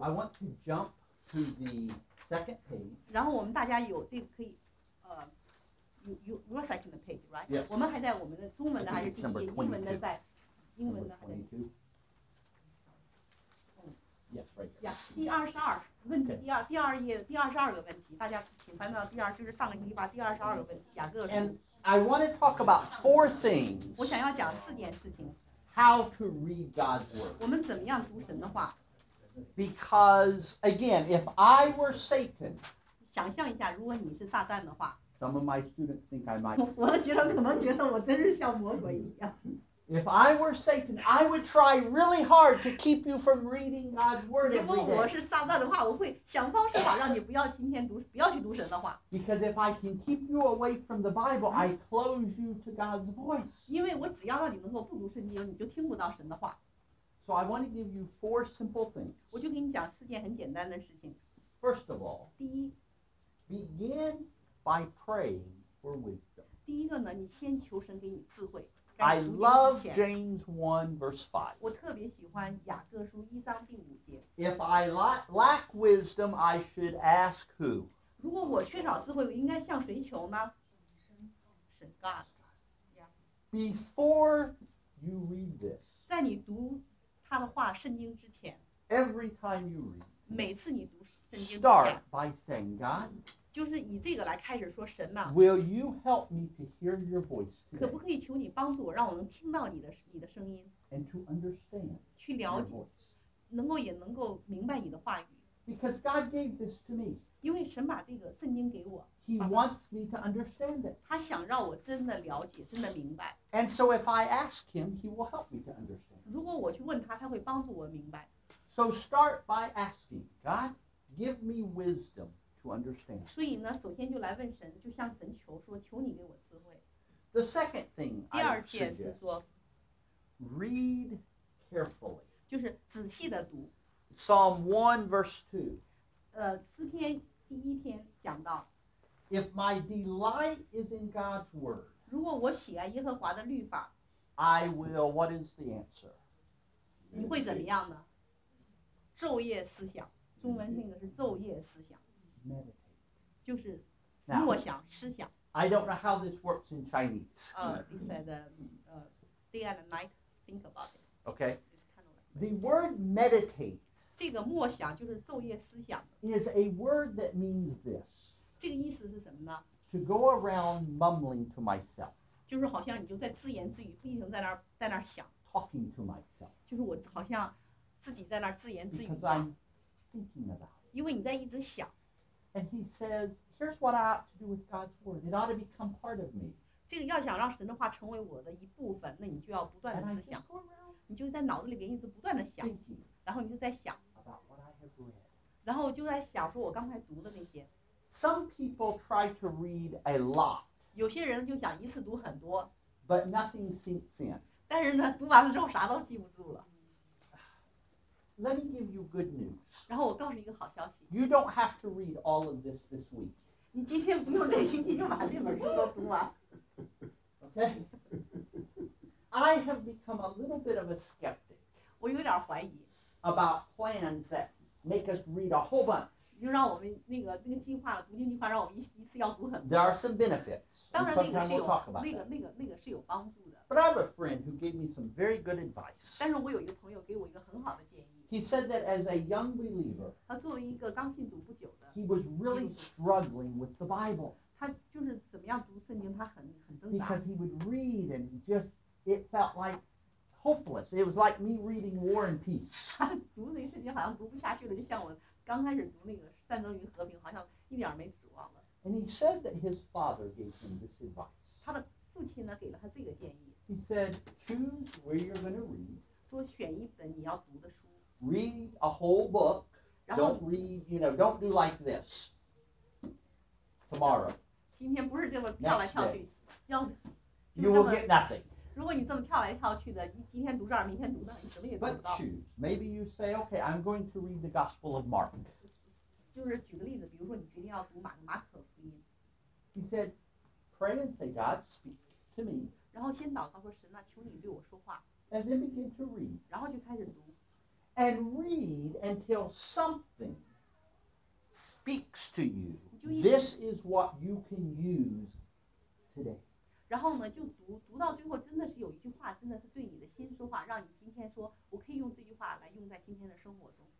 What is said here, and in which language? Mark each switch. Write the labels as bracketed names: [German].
[English] I want to jump to the second page. [Chinese] 然后我们大家有这个可以， [English] your second page, right? Yes. [Chinese] 我们还在我们的中文的还是第一页，英文的在，英文的还在。 [English] Yes, right. [Chinese] Yeah, 第二十二问题，第二页第二十二个问题，大家请翻到第二，就是上个星期发第二十二个问题，雅各书。 [English] And I want to talk about four things. [Chinese] 我想要讲四件事情。 [English] How to read God's word. [Chinese] 我们怎么样读神的话 [English] ？Because again, if I were Satan. [Chinese] 想象一下，如果你是撒旦的话。 [English] Some of my students think I might. [Chinese] 我的学生可能觉得我真是像魔鬼一样。 [English] If I were Satan, I would try really hard to keep you from reading God's word every day. [Chinese] 如果我是撒旦的话，我会想方设法让你不要今天读，不要去读神的话。 [English] Because if I can keep you away from the Bible, I close you to God's voice. [Chinese] 因为我只要让你能够不读圣经，你就听不到神的话。 [English] So I want to give you four simple things. [Chinese] 我就给你讲四件很简单的事情。 [English] First of all, [Chinese] 第一 [English] begin by praying for wisdom. [Chinese] 第一个呢，你先求神给你智慧。 [English] I love James 1 verse 5. [Chinese] 我特别喜欢雅各书一章第五节。 [English] If I lack wisdom, I should ask who? [Chinese] 如果我缺少智慧，我应该向谁求呢？神 God. [English] Before you read this, [Chinese] 在你读他的话圣经之前 [English] ，Every time you read, [Chinese] 每次你读圣经 [English] ，Start by saying God. [Chinese] 就是以这个来开始说神嘛。 [English] Will you help me to hear your voice? [Chinese] 可不可以求你帮助我，让我能听到你的声音 [English] ？And to understand. [Chinese] 去了解，能够明白你的话语。 [English] Because God gave this to me. [Chinese] 因为神把这个圣经给我。 [English] He wants me to understand it. [Chinese] 他想让我真的了解，真的明白。 [English] And so if I ask him, he will help me to understand. [Chinese] 如果我去问他，他会帮助我明白。 [English] So start by asking God, give me wisdom. [Chinese] 所以呢，首先就来问神，就向神求说，求你给我智慧。 [English] The second thing I suggest. [Chinese] 第二件是说 [English] ，read carefully. [Chinese] 就是仔细的读。 [English] Psalm 1 verse 2. [Chinese] 诗篇第一篇讲到。 [English] If my delight is in God's word. [Chinese] 如果我喜爱耶和华的律法。 [English] I will. What is the answer? [Chinese] 你会怎么样呢？昼夜思想，中文那个是昼夜思想。就是默想思想。 [English] I don't know how this works in Chinese. He said, day and night, think about it. Okay. The word meditate. [Chinese] 这个默想就是昼夜思想。 [English] Is a word that means this. [Chinese] 这个意思是什么呢 [English] ？To go around mumbling to myself. [Chinese] 就是好像你就在自言自语，不停在那儿想。 [English] Talking to myself. [Chinese] 就是我好像自己在那儿自言自语。 [English] Because I'm thinking about. [Chinese] 因为你在一直想。 [English] And he says, "Here's what I ought to do with God's word. It ought to become part of me." [Chinese] 这个要想让神的话成为我的一部分，那你就要不断的思想。你就在脑子里边一直不断的想，然后你就在想。 [English] About what I have read. [Chinese] 然后就在想说我刚才读的那些。 [English] Some people try to read a lot. [Chinese] 有些人就想一次读很多。 [English] But nothing sinks in. [Chinese] 但是呢，读完了之后啥都记不住了。 [English] Let me give you good news. [Chinese] 然后我告诉一个好消息。 [English] You don't have to read all of this this week. [Chinese] 你今天不用这星期就把这本书都读完。 [English] Okay. I have become a little bit of a skeptic. [Chinese] 我有点怀疑。 [English] About plans that make us read a whole bunch. [Chinese] 就让我们那个计划读经计划，让我们一次要读很多。 [English] There are some benefits. [Chinese] 当然那个是有 [English] talk about [Chinese] 那个是有帮助的。 [English] But I have a friend who gave me some very good advice. [Chinese] 但是我有一个朋友给我一个很好的建议。 [English] He said that as a young believer, [Chinese] 他作为一个刚信主不久的 [English] he was really struggling with the Bible. [Chinese] 他就是怎么样读圣经，他很挣扎 [English] Because he would read and just it felt like hopeless. It was like me reading War and Peace. [Chinese] 他读那圣经好像读不下去了，就像我刚开始读那个《战争与和平》，好像一点没指望了 [English] And he said that his father gave him this advice. [Chinese] 他的父亲呢给了他这个建议 [English] He said, "Choose where you're going to read." [Chinese] 说选一本你要读的书。 [English] Read a whole book. Don't read, you know. Don't do like this. Tomorrow. [Chinese] 今天不是这么跳来跳去，要就 [English] You will get nothing. [Chinese] 如果你这么跳来跳去的，今天读这儿，明天读那，你什么也读不到。 [English] But choose. Maybe you say, "Okay, I'm going to read the Gospel of Mark." [Chinese] 就是举个例子，比如说你决定要读马可福音。 [English] He said, "Pray and say, God, speak to me." [Chinese] 然后先祷告说，神啊，求你对我说话。 [English] And then begin to read. [Chinese] 然后就开始读。 [English] And read until something speaks to you. This is what you can use today. [Chinese] 然后呢，就读，读到最后真的是有一句话真的是对你的心说话，让你今天说，我可以用这句话来用在今天的生活中。